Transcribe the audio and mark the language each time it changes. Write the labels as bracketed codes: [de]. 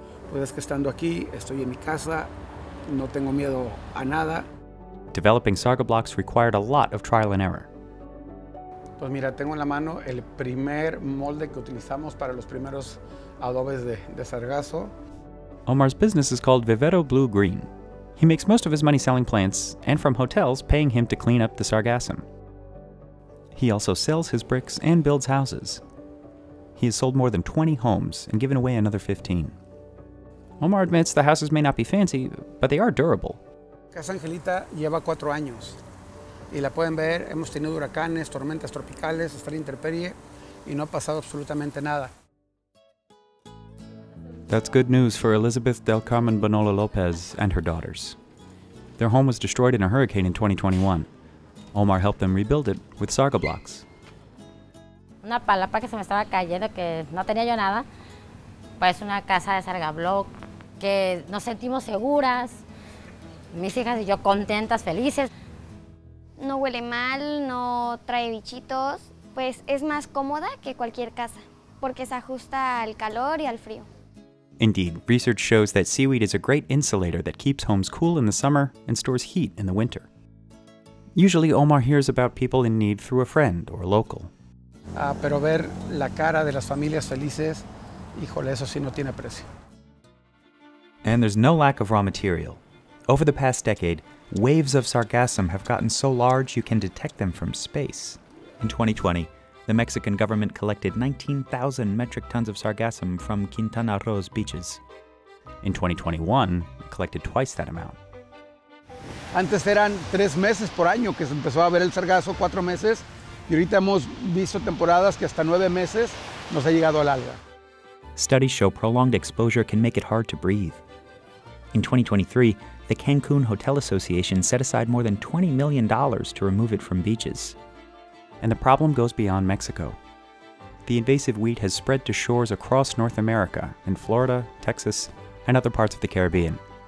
[es] Pues es que estando aquí, estoy en mi casa, no tengo miedo a nada. [en] Developing saga blocks required a lot of trial and error. [es] Pues mira, tengo en la mano el primer molde que utilizamos para los primeros adobes de sargazo. [en] Omar's business is called Vivero Blue Green. He makes most of his money selling plants and from hotels paying him to clean up the sargassum. He also sells his bricks and builds houses. He has sold more than 20 homes and given away another 15. Omar admits the houses may not be fancy, but they are durable. [es] Casa Angelita lleva 4 años. Y la pueden ver, hemos tenido huracanes, tormentas tropicales, hasta la intemperie, y no ha pasado absolutamente nada. [en] That's good news for Elizabeth Del Carmen Bonola Lopez and her daughters. Their home was destroyed in a hurricane in 2021. Omar helped them rebuild it with saga blocks. [es] Una palapa que se me estaba cayendo, que no tenía yo nada. Pues una casa de saga block, que nos sentimos seguras. Mis hijas y yo contentas, felices. No huele mal, no trae bichitos. Pues es más cómoda que cualquier casa, porque se ajusta al calor y al frío. [en] Indeed, research shows that seaweed is a great insulator that keeps homes cool in the summer and stores heat in the winter. Usually, Omar hears about people in need through a friend or a local. [es] Pero ver la cara de las familias felices, híjole, eso sí no tiene precio. [en] And there's no lack of raw material. Over the past decade, waves of sargassum have gotten so large you can detect them from space. In 2020, the Mexican government collected 19,000 metric tons of sargassum from Quintana Roo's beaches. In 2021, it collected twice that amount. [es] Antes eran 3 meses por año que se empezó a ver el sargazo, 4 meses, y ahorita hemos visto temporadas que hasta 9 meses nos ha llegado al alga. [en] Studies show prolonged exposure can make it hard to breathe. In 2023, the Cancun Hotel Association set aside more than $20 million to remove it from beaches. And the problem goes beyond Mexico. The invasive weed has spread to shores across North America, in Florida, Texas, and other parts of the Caribbean.